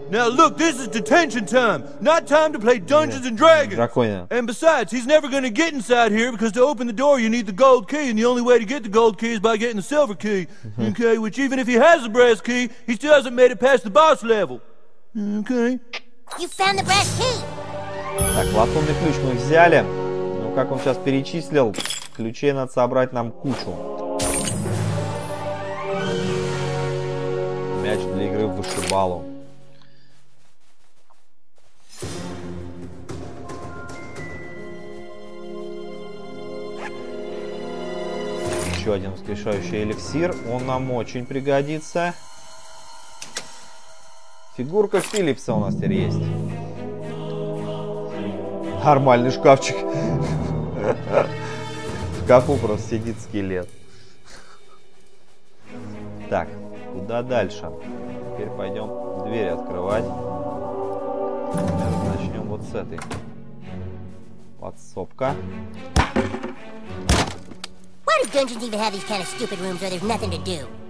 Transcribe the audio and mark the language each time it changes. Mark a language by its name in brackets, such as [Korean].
[English] Now look, this is detention time, not time to play Dungeons and Dragons. And besides, he's never gonna get inside here because to open the door you need the gold key, and the only way to get the gold key is by getting the silver key. Okay, which even if he has the brass key, he still hasn't made it past the boss level. Okay. You found the brass key. [Russian] Так, латунный ключ мы взяли. Как он сейчас перечислил, ключей надо собрать нам кучу. Мяч для игры в вышибалу. Еще один воскрешающий эликсир. Он нам очень пригодится. Фигурка Филлипса у нас теперь есть. Нормальный шкафчик. В шкафу просто сидит скелет. Так, куда дальше? Теперь пойдем дверь открывать. Сейчас начнем вот с этой. Подсобка. [English] Why do dungeons even have these kind of stupid rooms where there's nothing to do?